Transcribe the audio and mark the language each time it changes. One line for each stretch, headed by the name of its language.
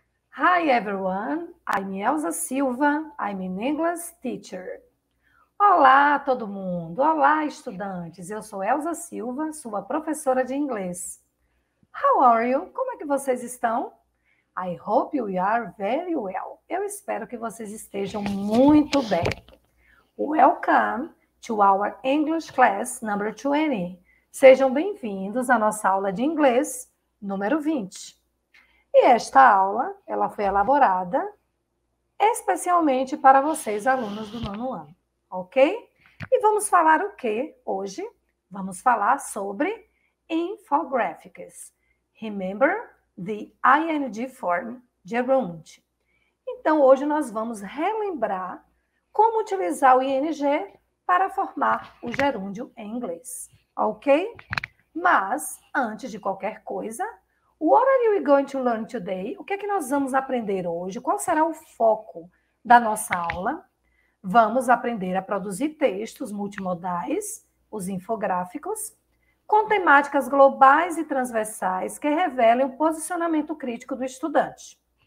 English: Hi everyone, I'm Elsa Silva, I'm an English teacher.
Portuguese: Olá todo mundo, olá estudantes, eu sou Elsa Silva, sua professora de inglês.
English: How are you?
Portuguese: Como é que vocês estão?
English: I hope you are very well.
Portuguese: Eu espero que vocês estejam muito bem.
English: Welcome to our English class number 20.
Portuguese: Sejam bem-vindos à nossa aula de inglês número 20. E esta aula, ela foi elaborada especialmente para vocês, alunos do nono ano, ok? E vamos falar o quê hoje? Vamos falar sobre infographics.
English: Remember the ING form, gerund.
Portuguese: Então, hoje nós vamos relembrar como utilizar o ING para formar o gerúndio em inglês, ok? Mas, antes de qualquer coisa,
English: what are we going to learn today?
Portuguese: O que é que nós vamos aprender hoje? Qual será o foco da nossa aula? Vamos aprender a produzir textos multimodais, os infográficos, com temáticas globais e transversais que revelem o posicionamento crítico do estudante.